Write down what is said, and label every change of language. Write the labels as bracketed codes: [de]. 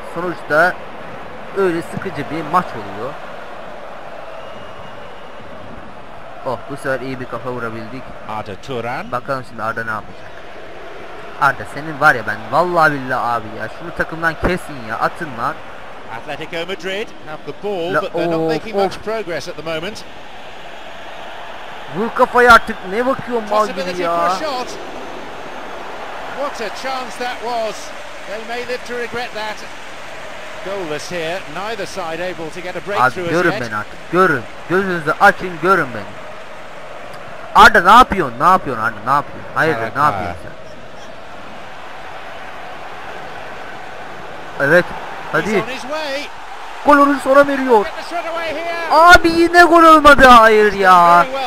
[tr] Sonuçta öyle sıkıcı bir maç oluyor. Oh bu sefer iyi bir kafa vurabildik. Arda Turan. Bakalım şimdi Arda ne yapacak. Arda senin var ya ben vallahi billahi abi ya şunu takımdan kesin ya atın lan. [en] Atletico Madrid have the ball but they're not making much progress at the moment. [tr] Vur kafayı artık ne bakıyorsun mal gibi ya. [en] What a chance that was. They may live to regret that. Goalless here. Neither side able to get a breakthrough as yet. [tr] Abi görün beni artık. Görün. Gözünüzü açın görün beni. Arda ne yapıyorsun? Ne yapıyorsun Arda? Ne yapıyorsun? Hayırdır ne yapıyorsun sen? Evet. Hadi. Gol olur sonra veriyor. Abi yine gol olmadı hayır ya.